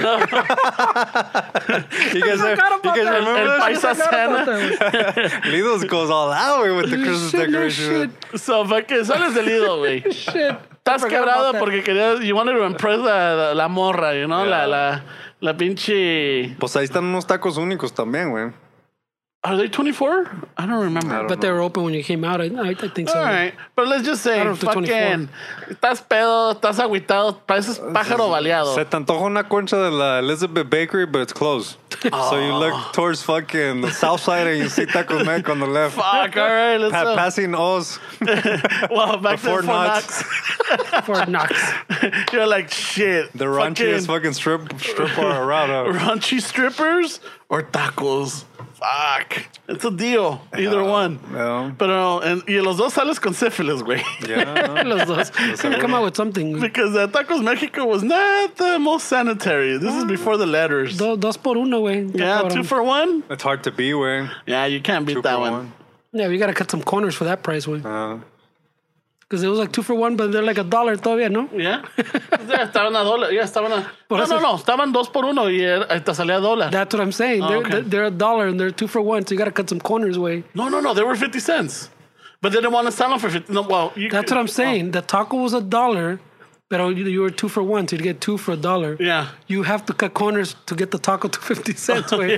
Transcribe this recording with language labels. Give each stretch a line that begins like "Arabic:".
English: I know. you guys remember el paisa Santa? Lidos goes all out, güey, with the Christmas decoration. Shit. So fucking,
Spanish: sales del lido, güey.
English: Shit.
Spanish: Estás quebrado porque querías.
English: You wanted to impress
Spanish: la morra,
English: you know?
Spanish: Yeah. La pinche. Pues ahí están unos tacos únicos también, güey.
English: Are they 24? I don't remember. But they were open when you came out. I think so. All right. But let's just say, fucking,
Spanish: estás pedo, estás agüitado, pareces pájaro baleado. Se te antoja una concha de la Elizabeth Bakery,
English: but it's closed. So you look towards fucking the south side and you see Taco Mac on the left. Fuck, all right, let's go. Passing Oz. Well, back to Fort Knox. Fort Knox. You're like, shit. The raunchiest fucking stripper around. Raunchy strippers or tacos? Fuck. It's a deal. Yeah, either one. Yeah.
Spanish: Pero, y los dos sales con syphilis, güey.
English: Yeah.
Spanish: Los dos.
English: Come out with something. Because Tacos Mexico was not the most sanitary. This is before the letters.
Spanish: Dos por uno, güey.
English: Yeah, two for one. It's hard to be, güey. Yeah, you can't beat that one. Yeah, we got to cut some corners for that price, güey. Because it was like two for one, but they're like a dollar
Spanish: todavía, ¿no?
English: Yeah.
Spanish: Estaban a dólar. Yeah, estaban a. No. Estaban dos por uno y hasta salía dólar.
English: That's what I'm saying. Oh, they're a dollar and they're two for one, so you got to cut some corners, way. No. They were 50 cents. But they didn't want to sell them for 50. No, well, that's what I'm saying. Oh. The taco was a dollar, but you were two for one, so you'd get two for a dollar. Yeah. You have to cut corners to get the taco to 50 cents, way.